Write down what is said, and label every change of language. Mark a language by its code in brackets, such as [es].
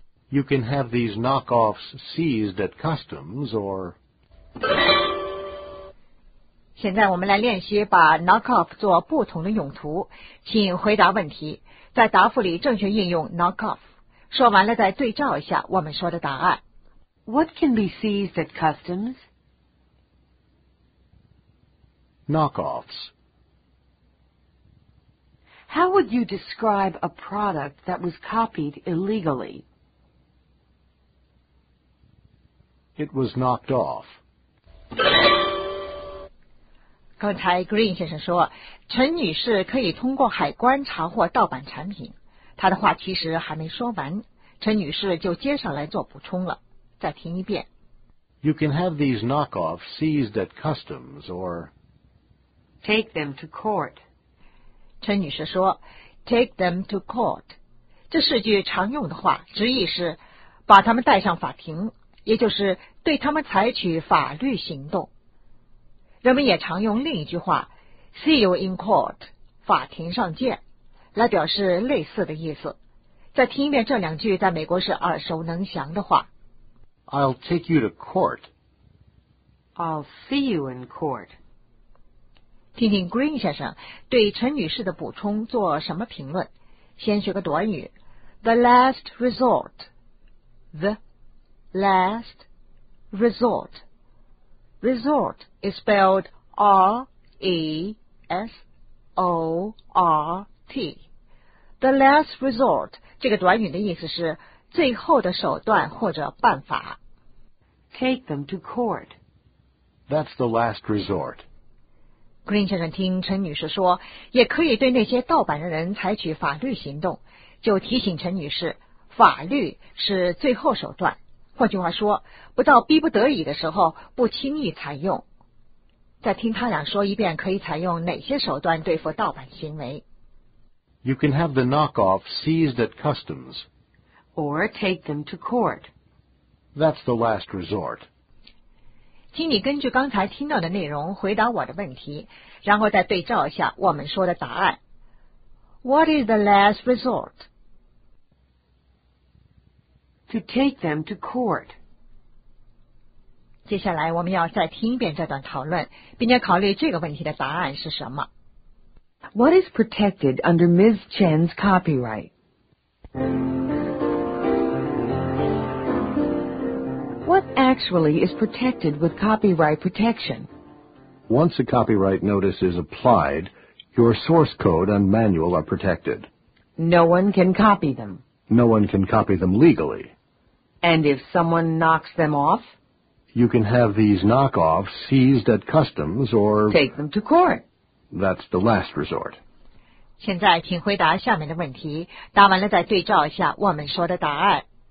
[en] You can have these knock offs seized at customs or... [zh] 现在我们来练习把 knock off 做不同的用途，请回答问题，在答复里正确应用 knock off。说完了再对照一下我们说的答案。 [en] What can be seized at customs? Knockoffs. How would you describe a product that was copied illegally? It was knocked off. [zh] 刚才 Green 先生说，陈女士可以通过海关查获盗版产品。她的话其实还没说完，陈女士就接上来做补充了。再听一遍。 [en] You can have these knockoffs seized at customs or take them to court. [zh] 陈女士说 [en] take them to court. [zh] 这是句常用的话，直译是把他们带上法庭，也就是对他们采取法律行动。人们也常用另一句话 [en] see you in court, [zh] 法庭上见，来表示类似的意思。再听一遍这两句在美国是耳熟能详的话。 [en] I'll take you to court. I'll see you in court. [zh] 听听 Green 先生对陈女士的补充做什么评论。先学个短语 [en] The last resort. The last resort. Resort is spelled R-E-S-O-R-T. The last resort [zh] 这个短语的意思是最后的手段或者办法。 [en] Take them to court. That's the last resort. [zh] Green 先生听陈女士说，也可以对那些盗版的人采取法律行动，就提醒陈女士，法律是最后手段。换句话说，不到逼不得已的时候，不轻易采用。再听他俩说一遍，可以采用哪些手段对付盗版行为。 [en] You can have the knockoff seized at customs. Or take them to court. That's the last resort. [zh] 请你根据刚才听到的内容回答我的问题，然后再对照一下我们说的答案。 [en] What is the last resort? To take them to court. [zh] 接下来我们要再听一遍这段讨论，并且考虑这个问题的答案是什么。 [en] What is protected under Ms. Chen's copyright? What actually is protected with copyright protection? Once a copyright notice is applied, your source code and manual are protected. No one can copy them. No one can copy them legally. And if someone knocks them off? You can have these knockoffs seized at customs or... Take them to court. That's the last resort. [zh] 现在请回答下面的问题，答完了再对照一下我们说的答案。